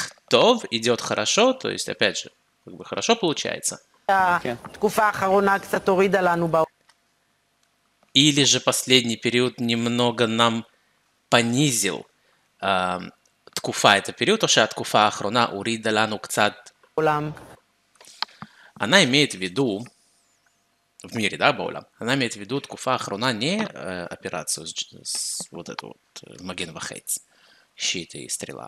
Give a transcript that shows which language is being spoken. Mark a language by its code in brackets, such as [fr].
[ru] טוב, идет хорошо, то есть, опять же, как бы хорошо получается. [he] התקופה האחרונה קצת הורידה לנו בעולם. [ru] Или же последний период немного нам понизил. Ткуфа – это период, потому что ткуфа ахруна урида лану кцат. Баулам. Она имеет в виду, в мире, да, баулам, она имеет в виду ткуфа ахруна не операцию с вот эту вот маген вахэц, щиты и стрела.